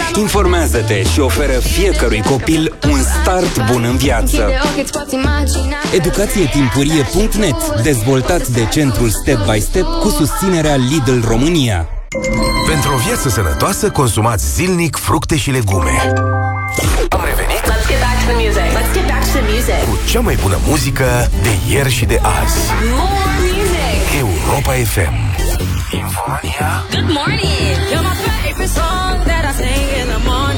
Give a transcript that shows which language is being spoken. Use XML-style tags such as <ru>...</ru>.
<ro>Informează-te și oferă fiecărui copil un start bun în viață. Educație timpurie.net, dezvoltat de centrul Step by Step cu susținerea Lidl România. Pentru o viață sănătoasă, consumați zilnic fructe și legume. Am revenit.</ro> <en>Let's get back to the music. Let's get back to the music.</en> <ro>Cu cea mai bună muzică de ieri și de azi.</ro> <en>More music.</en> <ro>Europa FM. Infomania.</ro> <en>Good morning. You're my favorite song that I sing in the morning.</en>